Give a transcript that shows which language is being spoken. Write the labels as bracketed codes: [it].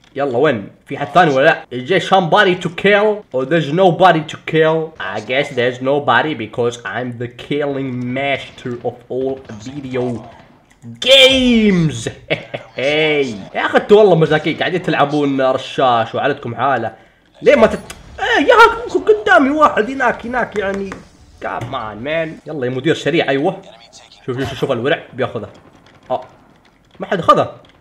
[ar] يلا وين؟ في حد ثاني ولا لا؟ جاي [en] somebody to kill or there's nobody to kill. I guess there's nobody because I'm the killing master of all video games. [ar] هي يا اخي انتوا والله مزاكيك، قاعدين تلعبون رشاش وعلتكم حاله. ليه ما يا اخي قدامي واحد هناك يعني كمان مان. يلا يا مدير سريع. ايوه شوف شوف شوف الورع بياخذه. اه ما حد اخذه.